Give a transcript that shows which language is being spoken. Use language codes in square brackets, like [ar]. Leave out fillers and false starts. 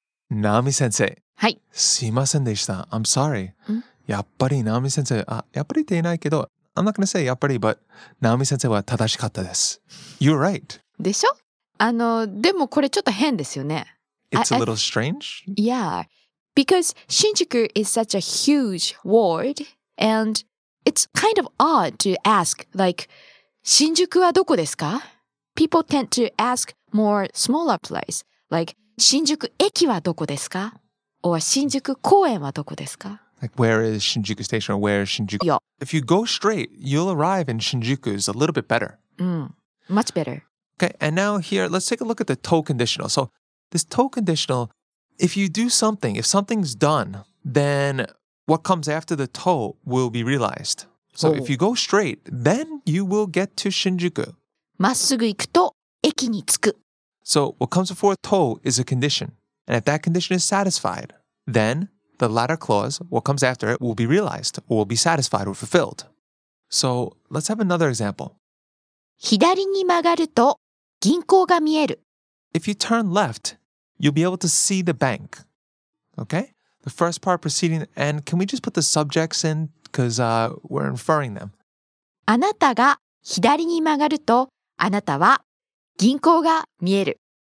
[ja] ナオミ先生。はい。すいませんでした。 [en] I'm sorry. [ja] やっぱりナオミ先生、あ、やっぱりって言えないけど、 [en] I'm not gonna say [ja] やっぱり [en] but [ja] ナオミ先生は正しかったです。 [en] You're right. [ja] でしょ? あの、でもこれちょっと変ですよね。 [en] It's a little strange? Yeah. Because 新宿 is such a huge word and it's kind of odd to ask like [ja] 新宿はどこですか? [en] People tend to ask more smaller place like [ja] 新宿駅はどこですか? Or 新宿公園はどこですか? [en] Like, where is Shinjuku Station or where is Shinjuku? Yeah. If you go straight, you'll arrive in Shinjuku is a little bit better. Much better. Okay, and now here, let's take a look at the to conditional. So, this to conditional, if you do something, if something's done, then what comes after the to will be realized. So, if you go straight, then you will get to Shinjuku. [ja] まっすぐ行くと駅に着く。 [en] So, what comes before to is a condition. And if that condition is satisfied, then... The latter clause, what comes after it, will be realized or will be satisfied or fulfilled. So, let's have another example. [ja] 左に曲がると銀行が見える。 [en] if you turn left, you'll be able to see the bank. Okay? The first part preceding, and can we just put the subjects in? Because we're inferring them. [ja] あなたが左に曲がると、あなたは銀行が見える。